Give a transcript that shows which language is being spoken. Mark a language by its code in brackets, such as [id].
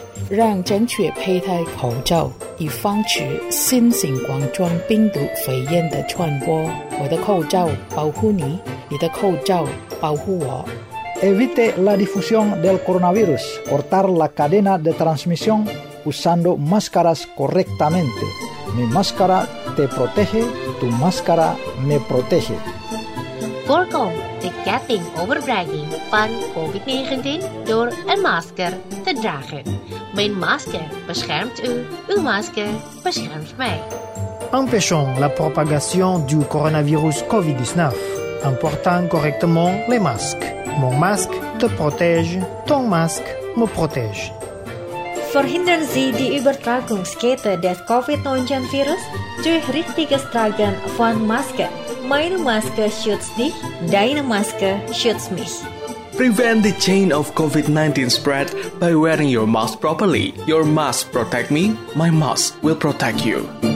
[zh] 让正确佩戴口罩，以防止新型冠状病毒肺炎的传播。我的口罩保护你，你的口罩保护我。 [es] Evite la difusión del coronavirus. Cortar la cadena de transmisión usando máscaras correctamente. Mi máscara te protege, tu máscara me protege. [nl] Voorkom de ketting overbrenging van COVID-19 door een masker te dragen. Mijn masker beschermt u, uw masker beschermt mij. [fr] Empêchons la propagation du coronavirus COVID-19 en portant correctement les masques. Mon masque te protège, ton masque me protège. [de] Verhindern Sie die Übertragungskette des COVID-19 Virus durch richtiges Tragen von Maske. Meine Maske schützt dich, deine Maske schützt mich. [en] Prevent the chain of COVID-19 spread by wearing your mask properly. Your mask protect me, my mask will protect you.